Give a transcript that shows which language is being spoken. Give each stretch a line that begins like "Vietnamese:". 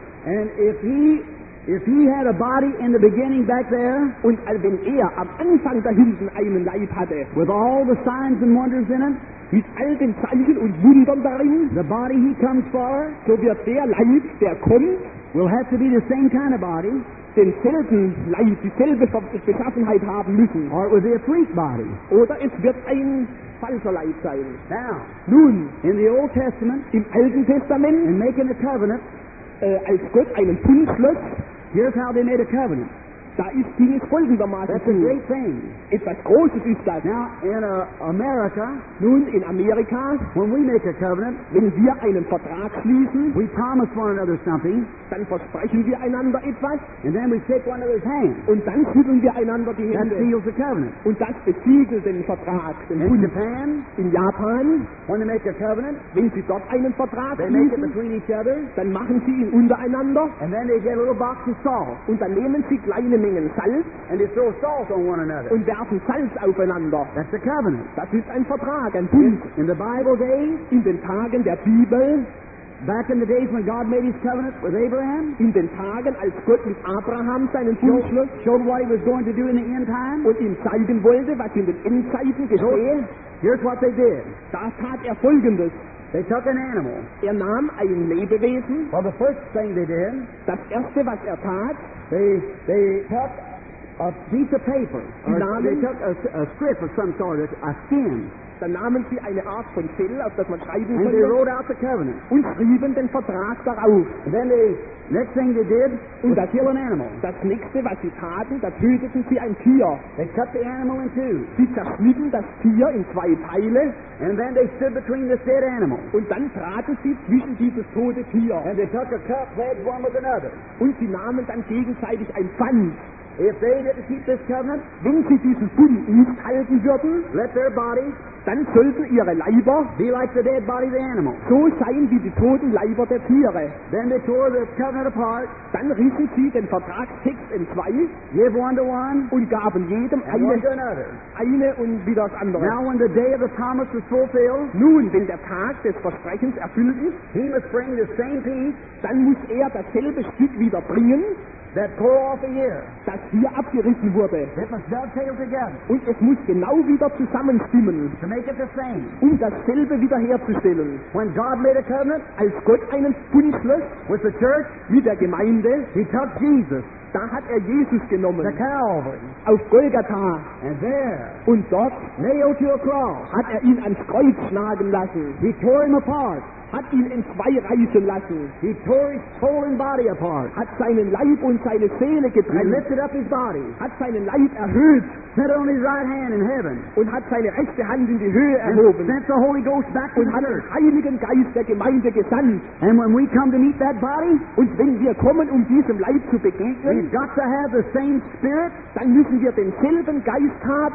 English: And if he had a body in the beginning back there,
German: und wenn er am Anfang da hinten einen Leib hatte,
English: with all the signs and wonders in it,
German: mit all den Zeichen und Wundern darin,
English: the body he comes for,
German: so wird der Leib, der kommt,
English: will have to be the same kind of body,
German: denselben Leib, dieselbe Beschaffenheit haben müssen.
English: Or it would be a freak body.
German: Oder es wird ein falscher Leib sein.
English: Now,
German: nun,
English: in the Old Testament,
German: im Alten Testament,
English: in making a covenant,
German: als Gott einen Bund schloss,
English: here's how they made a covenant.
German: Da ist dieses folgendermaßen.
English: That's a great thing.
German: Etwas Großes ist das.
English: Now, in America,
German: nun in Amerika,
English: when we make a covenant,
German: wenn wir einen Vertrag schließen,
English: we promise one another something,
German: dann versprechen wir einander etwas,
English: and then we shake one another's hand,
German: und dann schütteln wir einander die Hände.
English: That seals the covenant.
German: Und das besiegelt den Vertrag.
English: In Japan,
German: in Japan,
English: when they make a covenant,
German: wenn sie dort einen Vertrag
English: they
German: schließen,
English: make it between each other,
German: dann machen sie ihn untereinander,
English: and then they get a little box of salt,
German: und dann nehmen sie kleine Mengen Salz,
English: and they throw salt on one another.
German: Und werfen Salz aufeinander.
English: That's a covenant.
German: Das ist ein Vertrag, ein Bund.
English: In the Bible days,
German: in den Tagen der Bibel,
English: back in the days when God made his covenant with Abraham,
German: in den Tagen, als Gott mit Abraham seinen Bund schloss,
English: showed what he was going to do in the end time,
German: und ihm zeigen wollte, was in den Endzeiten geschehe.
English: Here's what they did.
German: Da tat er Folgendes.
English: They took an animal.
German: Er nahm ein Lebewesen.
English: Well, the first thing they did,
German: das erste, was er tat,
English: they took a piece of paper.
German: Nahmen,
English: they took a strip of some sort, a skin.
German: Dann nahmen sie eine Art von Fell, auf das man schreiben konnte.
English: And they wrote out the covenant.
German: Und schrieben den Vertrag darauf.
English: And then the next thing they did,
German: und
English: was kill an animal.
German: Das nächste, was sie taten, da töteten sie ein Tier.
English: They cut the animal in two.
German: Sie zerschnitten das Tier in zwei Teile.
English: And then they stood between this dead animal.
German: Und dann traten sie zwischen dieses tote Tier.
English: And they took a cup, wedged one with another.
German: Und sie nahmen dann gegenseitig ein Pfand.
English: If they didn't keep this covenant,
German: wenn sie diesen Bund nicht halten würden,
English: let their bodies,
German: dann sollten ihre Leiber
English: be like the dead body of the animal.
German: So seien wie die toten Leiber der Tiere.
English: Then they tore the covenant apart,
German: dann rissen sie den Vertragstext in zwei,
English: give one to one,
German: und gaben jedem eine und wieder das andere.
English: Now when the day of the promise was fulfilled,
German: nun, wenn der Tag des Versprechens erfüllt ist,
English: he must bring the same piece,
German: dann muss er dasselbe Stück wieder bringen,
English: that tore off a year,
German: das hier abgerissen wurde.
English: It must dovetail together,
German: und es muss genau wieder zusammenstimmen,
English: to make it the same,
German: um dasselbe wiederherzustellen.
English: When God made a covenant,
German: als Gott einen Bund schloss,
English: with the church,
German: mit der Gemeinde,
English: he took Jesus,
German: da hat Jesus genommen,
English: the Calvary,
German: auf Golgatha,
English: and there,
German: und dort,
English: nailed to a cross,
German: hat ihn ans Kreuz schlagen lassen.
English: He tore him apart,
German: hat ihn in zwei reißen lassen.
English: He tore his soul and body apart,
German: hat seinen Leib und seine Seele getrennt.
English: He lifted up his body,
German: hat seinen Leib erhöht.
English: Set on his right hand in heaven,
German: und hat seine rechte Hand in die Höhe erhoben.
English: And sent the Holy Ghost back,
German: und hat den Heiligen Geist der Gemeinde gesandt.
English: And when we come to meet that body,
German: und wenn wir kommen, um diesem Leib zu begegnen,
English: we've got to have the same spirit,
German: dann müssen wir denselben Geist haben,